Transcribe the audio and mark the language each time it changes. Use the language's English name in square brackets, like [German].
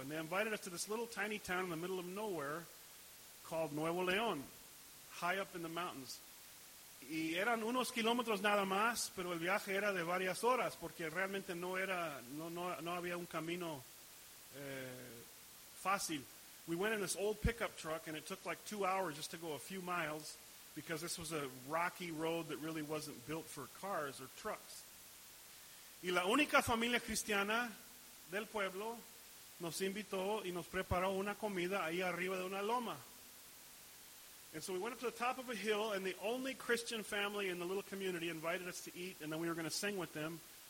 [English] And they invited us to this little tiny town in the middle of nowhere called Nuevo León, high up in the mountains. [Spanish] Y eran unos kilómetros nada más, pero el viaje era de varias horas, porque realmente no había un camino fácil. [English] We went in this old pickup truck, and it took like 2 hours just to go a few miles, because this was a rocky road that really wasn't built for cars or trucks. [Spanish] Y la única familia cristiana del pueblo nos invitó y nos preparó una comida ahí arriba de una loma. [English] And so we went up to the top of a hill, and the only Christian family in the little community invited us to eat, and then we were going to sing with them.